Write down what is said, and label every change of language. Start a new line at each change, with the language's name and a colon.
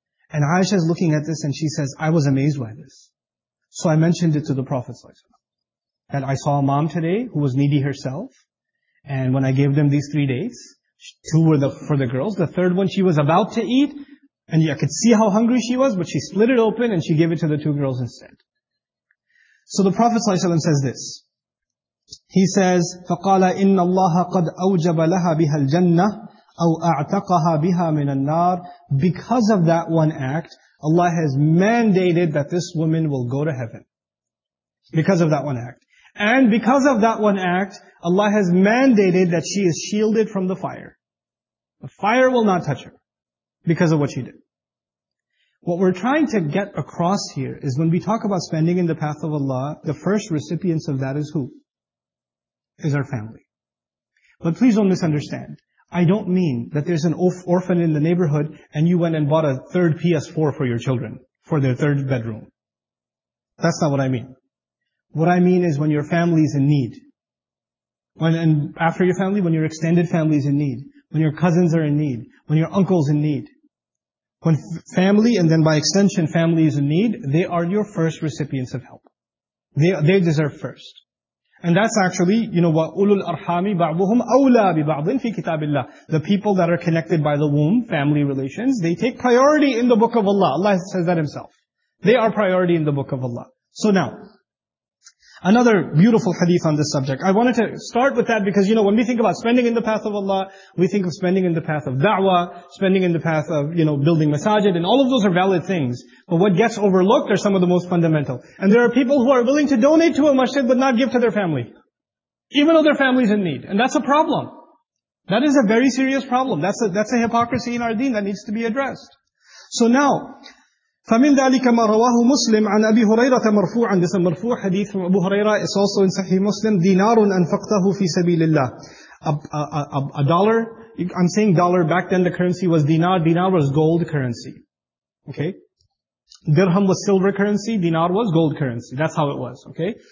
English: And Aisha is looking at this and she says, I was amazed by this. So I mentioned it to the Prophet ﷺ, that I saw a mom today who was needy herself, and when I gave them these 3 dates, 2 were for the girls, the third one she was about to eat, and I could see how hungry she was, but she split it open and she gave it to the 2 girls instead. So the Prophet ﷺ says this. He says,
Arabic: فَقَالَ إِنَّ اللَّهَ قَدْ أَوْجَبَ لَهَا بِهَا الْجَنَّةِ أَوْ أَعْتَقَهَا بِهَا مِنَ النَّارِ.
English: Because of that one act, Allah has mandated that this woman will go to heaven. Because of that one act. And because of that one act, Allah has mandated that she is shielded from the fire. The fire will not touch her because of what she did. What we're trying to get across here is when we talk about spending in the path of Allah, the first recipients of that is who? Is our family. But please don't misunderstand. I don't mean that there's an orphan in the neighborhood and you went and bought a third PS4 for your children, for their third bedroom. That's not what I mean. What I mean is when your family is in need. When your extended family is in need. When your cousins are in need. When your uncle's in need. When family, and then by extension family, is in need, they are your first recipients of help. They deserve first. And that's actually, you know,
Arabic: وَأُولُوا الْأَرْحَامِ بَعْضُهُمْ أَوْلَى بِبَعْضٍ فِي كِتَابِ اللَّهِ.
English: The people that are connected by the womb, family relations, they take priority in the book of Allah. Allah says that himself. They are priority in the book of Allah. So now, another beautiful hadith on this subject. I wanted to start with that because, you know, when we think about spending in the path of Allah, we think of spending in the path of da'wah, spending in the path of, you know, building masajid, and all of those are valid things. But what gets overlooked are some of the most fundamental. And there are people who are willing to donate to a masjid but not give to their family, even though their family's in need. And that's a problem. That is a very serious problem. That's a hypocrisy in our deen that needs to be addressed. So now,
Arabic: فَمِنْ ذَلِكَ مَا رَوَاهُ مُسْلِمْ عَنْ أَبِي هُرَيْرَةَ مَرْفُوعًا.
English: This is a marfu hadith from Abu Hurairah. It's also in Sahih Muslim.
Arabic: دِنَارٌ أَنْفَقْتَهُ فِي سَبِيلِ اللَّهِ.
English: A dollar. I'm saying dollar. Back then the currency was dinar. Dinar was gold currency. Okay? Dirham was silver currency. Dinar was gold currency. That's how it was. Okay?